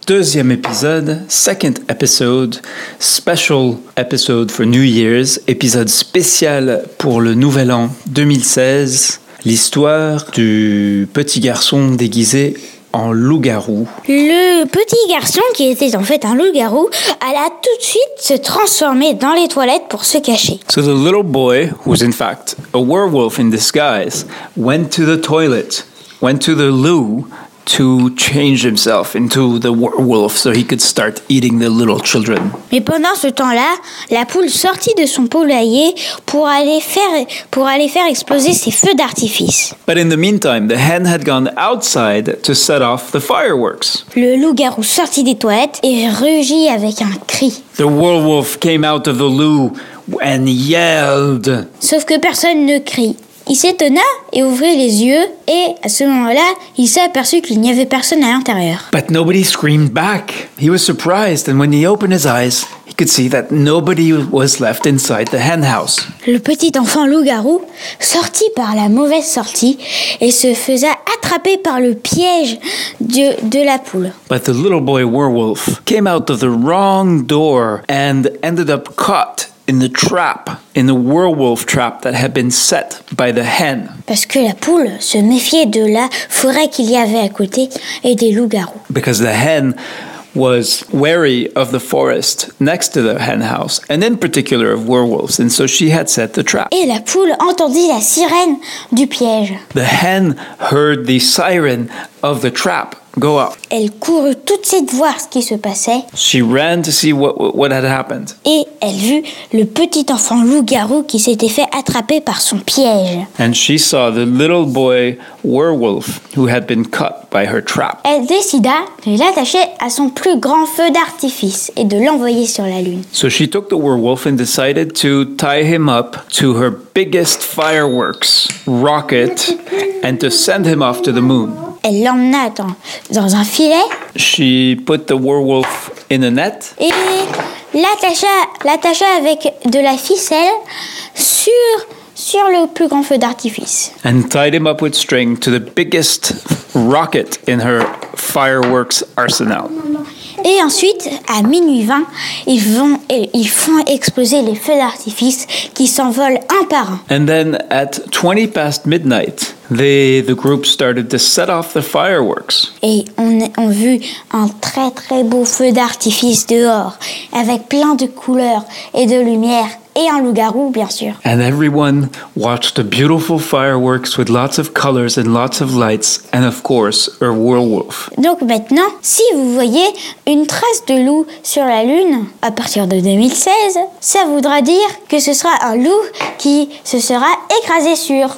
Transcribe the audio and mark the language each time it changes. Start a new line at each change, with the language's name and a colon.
French: Deuxième épisode,
English: second episode, special episode for New Year's,
French: épisode spécial pour le nouvel an 2016, l'histoire du petit garçon déguisé en loup-garou. Le petit garçon, qui était en fait un loup-garou, alla tout de suite se transformer dans les toilettes pour se cacher.
English: So the little boy, who was in fact a werewolf in disguise, went to the loo, to change himself into the werewolf so he could start eating the little children.
French: Mais pendant ce temps-là, la poule sortit de son poulailler pour aller faire exploser ses feux d'artifice.
English: But in the meantime, the hen had gone outside to set off the fireworks.
French: Le loup-garou sortit des toilettes et rugit avec un cri.
English: The werewolf came out of the loo and yelled.
French: Sauf que personne ne crie. Il s'étonna et ouvrit les yeux et à ce moment-là, il s'aperçut qu'il n'y avait personne à l'intérieur.
English: But nobody screamed back. He was surprised and when he opened his eyes, he could see that nobody was left inside the hen house.
French: Le petit enfant loup-garou sortit par la mauvaise sortie et se faisa attraper par le piège de la poule.
English: But the little boy werewolf came out of the wrong door and ended up caught in the trap, in the werewolf trap that had been set by the hen.
French: Parce que la poule se méfiait de la forêt qu'il y avait à côté et des loups-garous.
English: Because the hen was wary of the forest next to the hen house, and in particular of werewolves, and so she had set the trap.
French: Et la poule entendit la sirène du piège.
English: The hen heard the siren of the trap go up.
French: Elle courut tout de suite voir ce qui se passait.
English: She ran to see what had happened.
French: Et elle vit le petit enfant loup-garou qui s'était fait attraper par son piège.
English: And she saw the little boy werewolf who had been caught by her trap.
French: Elle décida de l'attacher à son plus grand feu d'artifice et de l'envoyer sur la lune.
English: So she took the werewolf and decided to tie him up to her biggest fireworks rocket and to send him off to the moon.
French: Elle l'emmena dans un filet.
English: She put the werewolf in a net.
French: Et l'attacha avec de la ficelle sur le plus grand feu d'artifice.
English: And tied him up with string to the biggest rocket in her fireworks arsenal.
French: Et ensuite, à minuit 20, ils font exploser les feux d'artifice qui s'envolent un par un.
English: And then at 20 past midnight, the group started to set off the fireworks.
French: Et on a vu un très très beau feu d'artifice dehors, avec plein de couleurs et de lumière, et un loup-garou, bien sûr.
English: And everyone watched the beautiful fireworks with lots of colors and lots of lights, and of course, a werewolf.
French: Donc maintenant, si vous voyez une trace de loup sur la lune, à partir de 2016, ça voudra dire que ce sera un loup qui se sera écrasé sur.